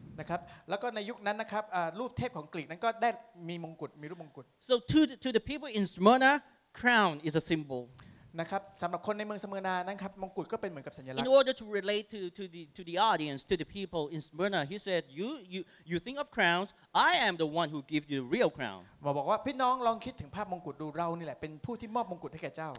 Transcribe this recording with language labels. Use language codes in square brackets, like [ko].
[th] นะครับแล้วก็ในยุคนั้นนะครับรูปเทพของกรีกนั้นก็ได้มีมงกุฎมีรูปมงกุฎ [en] So to the people in Smyrna, crown is a symbol. [th] นะครับสำหรับคนในเมืองสเมอร์นานะครับมงกุฎก็เป็นเหมือนกับสัญลักษณ์ [en] In order to relate to the audience to the people in Smyrna he said you think of crowns I am the one who give you the real crown [th] มาบอกว่าพี่น้องลองคิดถึงภาพมงกุฎดูเรานี่แหละเป็นผู้ที่มอบมงกุฎให้แก่เจ้า